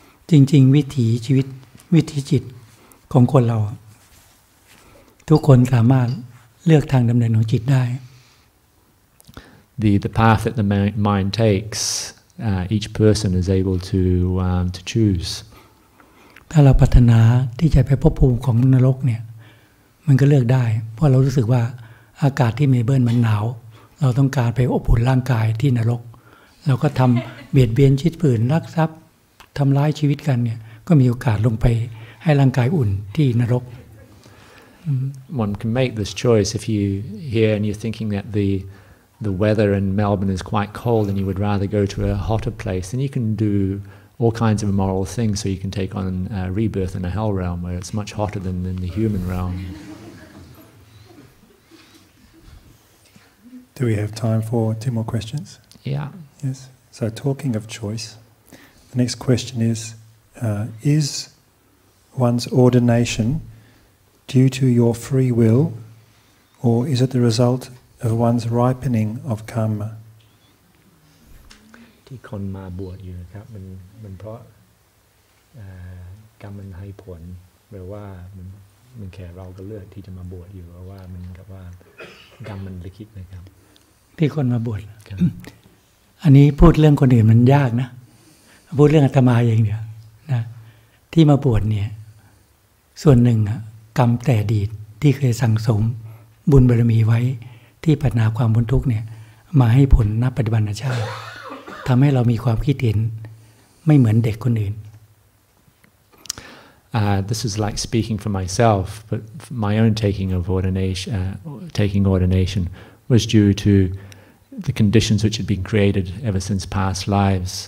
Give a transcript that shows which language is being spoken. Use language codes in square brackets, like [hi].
[th] จริงๆวิถีชีวิตวิถีจิตของคนเราทุกคนสามารถเลือกทางดำเนินของจิตได้ [en] the path that the mind takes each person is able to choose [th] ถ้าเราปรารถนาที่จะไปพบภูมิของนรกเนี่ยมันก็เลือกได้เพราะเรารู้สึกว่าอากาศที่เมลเบิร์นมันหนาวเราต้องการไปอบอุ่นร่างกายที่นรกเราก็ทำเบียดเบียนชีวิตผืนลักทรัพย์ทำร้ายชีวิตกันเนี่ยก็มีโอกาสลงไปให้ร่างกายอุ่นที่นรก [en] One can make this choice if you hear and you're thinking that the weather in Melbourne is quite cold and you would rather go to a hotter place then you can do all kinds of immoral things so you can take on a rebirth in a hell realm where it's much hotter than the human realm Do we have time for two more questions? Yeah. Yes. So talking of choice, the next question is one's ordination due to your free will or is it the result of one's ripening of karma? [th] ที่คนมาบวชอยู่นะครับมันเพราะกรรมมันให้ผลหรือว่ามันแค่เราก็เลือกที่จะมาบวชอยู่เพราะว่ามันกับว่ากรรมมันลิขิตนะครับ ที่คนมาบวชอันนี้พูดเรื่องคนอื่นมันยากนะพูดเรื่องอาตมาเองเดียวนะที่มาบวชเนี่ยส่วนหนึ่งกรรมแต่อดีตที่เคยสั่งสมบุญบารมีไว้ที่ปัญหาความพ้นทุกข์เนี่ยมาให้ผลณปัจจุบันชาติทำให้เรามีความคิดเห็นไม่เหมือนเด็กคนอื่น [en] This is like speaking for myself but my own taking ordination was due to the conditions which had been created ever since past lives.